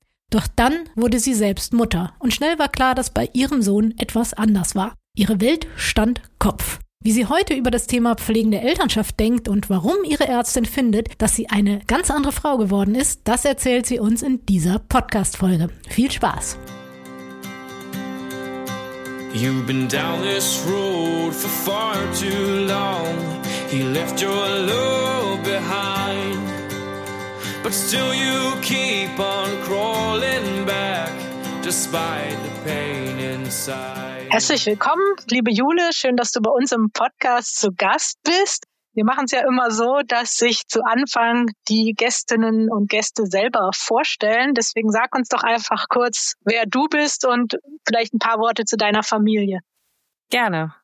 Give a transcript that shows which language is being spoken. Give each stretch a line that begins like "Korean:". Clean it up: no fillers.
German: Doch dann wurde sie selbst Mutter und schnell war klar, dass bei ihrem Sohn etwas anders war. Ihre Welt stand Kopf. Wie sie heute über das Thema pflegende Elternschaft denkt und warum ihre Ärztin findet, dass sie eine ganz andere Frau geworden ist, das erzählt sie uns in dieser Podcast-Folge. Viel Spaß!
English: You've been down this road for far too long. He left your love behind. But still you keep on crawling back, despite the pain inside.
German: Herzlich willkommen, liebe Jule. Schön, dass du bei uns im Podcast zu Gast bist. Wir machen es ja immer so, dass sich zu Anfang die Gästinnen und Gäste selber vorstellen. Deswegen sag uns doch einfach kurz, wer du bist und vielleicht ein paar Worte zu deiner Familie. Gerne.